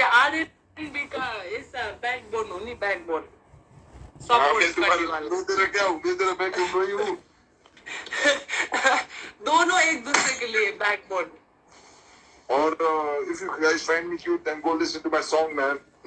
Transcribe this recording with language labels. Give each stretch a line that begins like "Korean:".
English: R&D because it's a backbone, only backbone. Support for you.
Hindi: No, तेरा क्या हूँ? मैं तेरा backbone ही हूँ. दोनों एक दूसरे के लिए backbone.
English: Or if you guys find me cute, then go listen to my song, man.